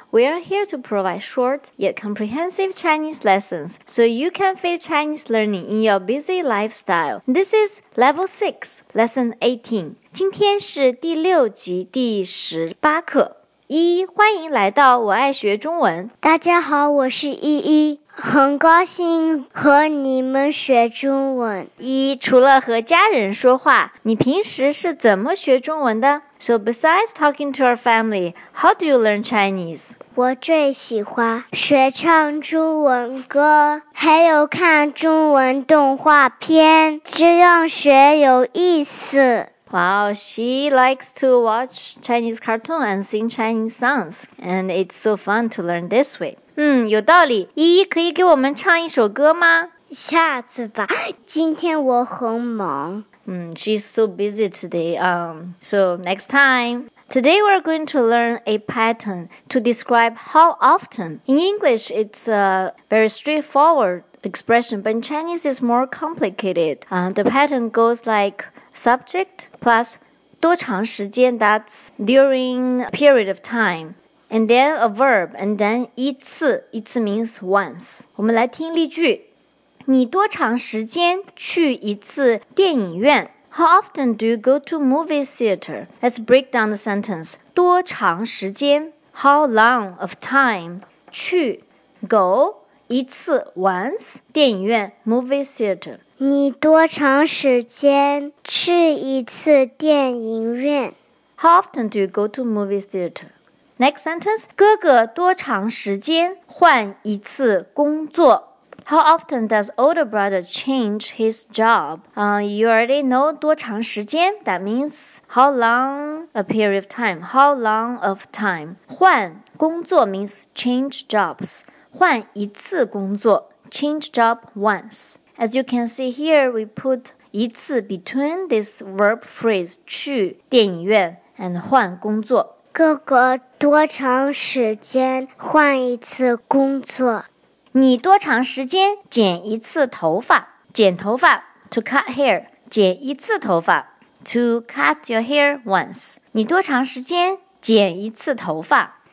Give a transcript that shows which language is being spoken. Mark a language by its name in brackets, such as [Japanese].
[English] We are here to provide short yet comprehensive Chinese lessons so you can fit Chinese learning in your busy lifestyle. This is Level 6, Lesson 18. [Chinese] 今天是第六集第十八课。依依，欢迎来到我爱学中文。大家好，我是依依。很高兴和你们学中文。依依，除了和家人说话，你平时是怎么学中文的？ [English] So besides talking to our family, how do you learn Chinese? [Chinese] 我最喜欢学唱中文歌，还有看中文动画片，这样学有意思。 [English] Wow, she likes to watch Chinese cartoon and sing Chinese songs, and it's so fun to learn this way. [Chinese] 有道理。依依，可以给我们唱一首歌吗？下次吧，今天我很忙。 [English] She's so busy today. So next time. Today we're going to learn a pattern to describe how often. In English, it's a very straightforward expression, but in Chinese, it's more complicated. The pattern goes like... Subject plus 多长时间, that's during a period of time. And then a verb, and then 一次, 一次 means once. [Chinese] 我们来听例句。你多长时间去一次电影院? [English] How often do you go to movie theater? Let's break down the sentence. 多长时间?How long of time? 去, go, 一次, once, 电影院, movie theater. [Chinese] 你多长时间去一次电影院? [English] How often do you go to movie theater? Next sentence, [Chinese] 哥哥多长时间换一次工作? [English] How often does older brother change his job? You already know 多长时间, that means how long a period of time, how long of time. 换工作 means change jobs, 换一次工作, change job once. As you can see here, we put 一次 between this verb phrase 去电影院 and 换工作。 [Chinese] 哥哥多长时间换一次工作？你多长时间剪一次头发？ [English] 剪头发 to cut hair, 剪一次头发 to cut your hair once. [Chinese] 你多长时间剪一次头发？